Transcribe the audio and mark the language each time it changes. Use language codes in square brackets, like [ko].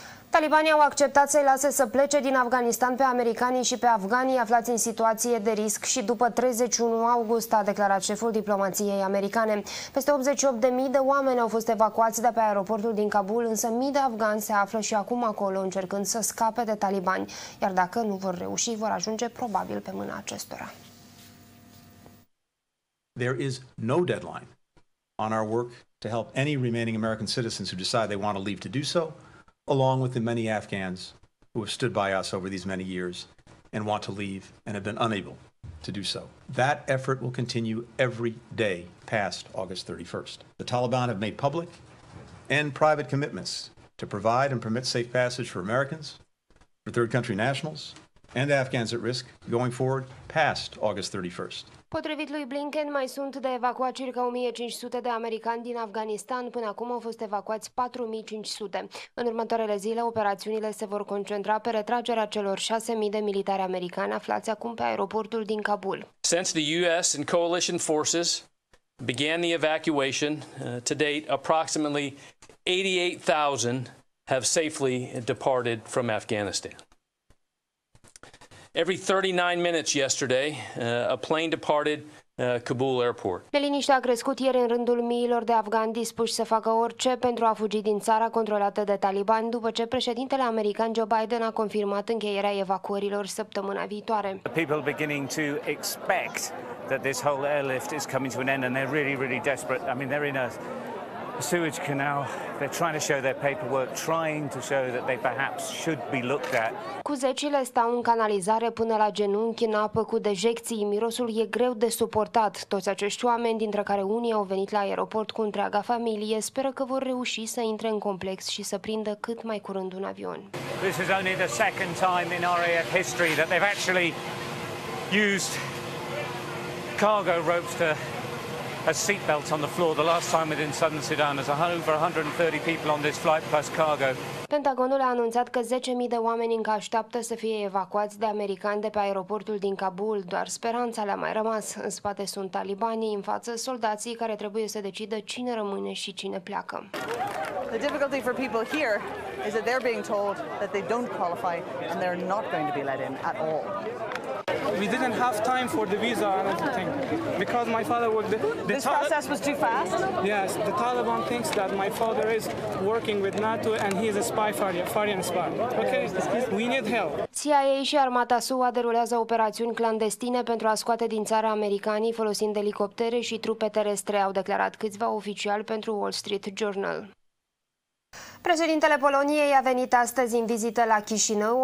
[ro] Talibanii au acceptat să-i lase să plece din Afganistan pe americanii și pe afganii aflați în situație de risc și după 31 august, a declarat șeful diplomației americane. Peste 88.000 de oameni au fost evacuați de pe aeroportul din Kabul, însă mii de afgani se află și acum acolo, încercând să scape de talibani. Iar dacă nu vor reuși, vor ajunge probabil pe mâna acestora. [en] There is no deadline on our work to help any remaining American citizens who decide they want to leave to do so, along with the many Afghans who have stood by us over these many years and want to leave and have been unable to do so. That effort will continue every day past August 31st. The Taliban have made public and private commitments to provide and permit safe passage for Americans, for third country nationals, and Afghans at risk going forward past August 31st. [ro] Potrivit lui Blinken, mai sunt de evacuat circa 1500 de americani din Afganistan. Până acum au fost evacuați 4500. În următoarele zile, operațiunile se vor concentra pe retragerea celor 6000 de militari americani aflați acum pe aeroportul din Kabul. [en] Since the US and coalition forces began the evacuation, to date approximately 88,000 have safely departed from Afghanistan. Every 39 minutes yesterday, a plane departed Kabul airport. [ro] Neliniștea a crescut ieri în rândul miilor de afgani dispuși să facă orice pentru a fugi din țara controlată de talibani, după ce președintele american Joe Biden a confirmat încheierea evacuărilor săptămâna viitoare. [en] People beginning to expect that this whole airlift is coming to an end, and they're really, really desperate. I mean, they're in a Suez Canal. They're trying to show their paperwork, trying to show that they perhaps should be looked at. [ro] Cu zecile stau în canalizare până la genunchi în apă cu dejecții. Mirosul e greu de suportat. Toți acești oameni, dintre care unii au venit la aeroport cu întreaga familie, speră că vor reuși să intre în complex și să prindă cât mai curând un avion. [en] This is only the second time in RAF history that they've actually used cargo ropes to a seat belt on the floor. The last time within Southern Sudan, there's over 130 people on this flight plus cargo. [ro] Pentagonul a anunțat că 10.000 de oameni încă așteaptă să fie evacuați de americani de pe aeroportul din Kabul. Doar speranța le-a mai rămas. În spate sunt talibanii, în față soldații care trebuie să decidă cine rămâne și cine pleacă. [en] The difficulty for people here is that they're being told that they don't qualify and they're not going to be let in at all. We didn't have time for the visa and everything because my father was this process was too fast. Yes, the Taliban thinks that my father is working with NATO and he is a spy, foreign spy. Okay, we need help. [ro] CIA și armata SUA derulează operațiuni clandestine pentru a scoate din țară americanii folosind elicoptere și trupe terestre, au declarat câțiva oficiali pentru Wall Street Journal. Președintele Poloniei a venit astăzi în vizită la Chișinău.